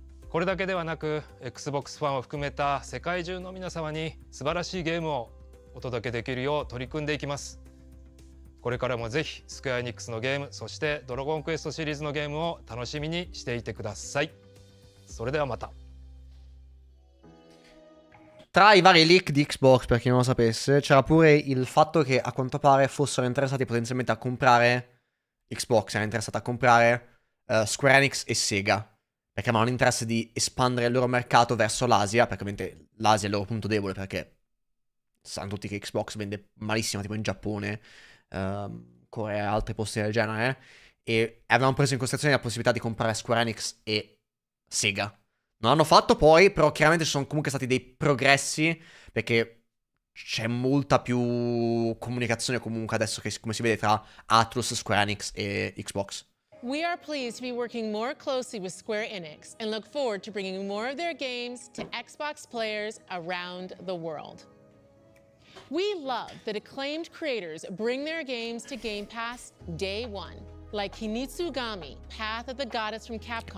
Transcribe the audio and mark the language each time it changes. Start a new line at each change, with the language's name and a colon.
Japanese: これだけではなく、Xbox ファンを含めた世界中の皆様に素晴らしいゲームをお届けできるよう取り組んでいきます。これからもぜひ、スクエアエニックスのゲーム、そしてドラゴンクエストシリーズのゲームを楽しみにしていてください。それではまた。
Italian: Tra i vari leak di Xbox, per chi non lo sapesse, c'era pure il fatto che a quanto pare fossero interessati potenzialmente a comprare Xbox, erano interessati a comprare Square Enix e Sega, perché avevano interesse di espandere il loro mercato verso l'Asia, perché ovviamente l'Asia è il loro punto debole, perché sanno tutti che Xbox vende malissimo, tipo in Giappone, Corea e altri posti del genere, e avevano preso in considerazione la possibilità di comprare Square Enix e Sega. Non hanno fatto poi, però chiaramente ci sono comunque stati dei progressi, perché c'è molta più comunicazione comunque adesso, che come si vede, tra Atlus, Square Enix e Xbox.
English: We are pleased to be working more closely with Square Enix and look forward to bringing more of their games to Xbox players around the world. We love that acclaimed creators bring their games to Game Pass day one, like Kimitsugami, Path of the Goddess from Capcom.